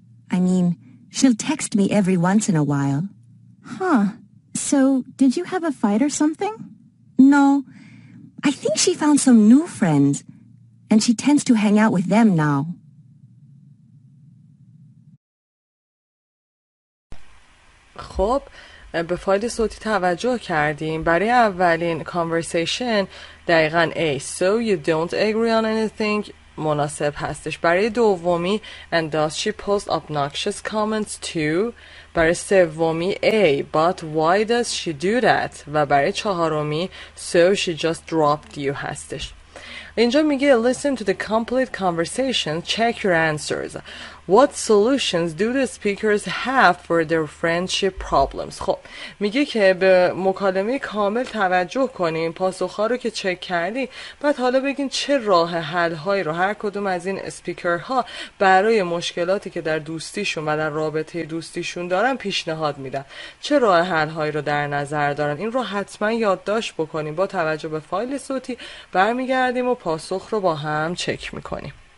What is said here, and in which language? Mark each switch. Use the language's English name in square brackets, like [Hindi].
[English] I mean, she'll text me every once in a while. Huh. So, did you have a fight or something? No. I think she found some new friends, and she tends to hang out with them now. [Persian] خب به فایل صوتی توجه کردیم. برای اولین conversation دقیقاً A. [English] So you don't agree on anything [Persian] مناسب هستش. برای دومی [English] and does she post obnoxious comments too؟ [Persian] برای سومی [English] A. But why does she do that؟ [Persian] و برای چهارمی [English] So she just dropped you [Persian] هستش. اینجا میگه [English] listen to the complete conversation, check your answers. What solutions do the speakers have for their friendship problems? [Persian] خب میگه که به مکالمه کامل توجه کنین، پاسخ ها رو که چک کردی، بعد حالا بگین چه راه حل هایی رو هر کدوم از این اسپیکر ها برای مشکلاتی که در دوستیشون و در رابطه دوستیشون دارن پیشنهاد میدن. چه راه حل هایی رو در نظر دارن؟ این رو حتما یادداشت بکنیم. با توجه به فایل صوتی برمیگردیم و پاسخ رو با هم چک میکنیم.